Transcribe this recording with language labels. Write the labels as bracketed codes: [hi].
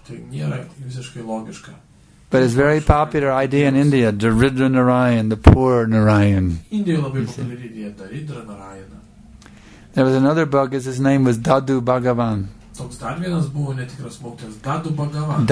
[lt] Tai nėra visiškai logiška. [en] But it's a very popular idea in India, Daridra Narayan, the poor Narayan. [lt] Indijoje labai populiari idėja, Daridra Narayan. [en] There was another book, his name was Dadu Bhagavan. [lt] Toks dar vienas buvo netikras mokytojas, Dadu Bhagavan.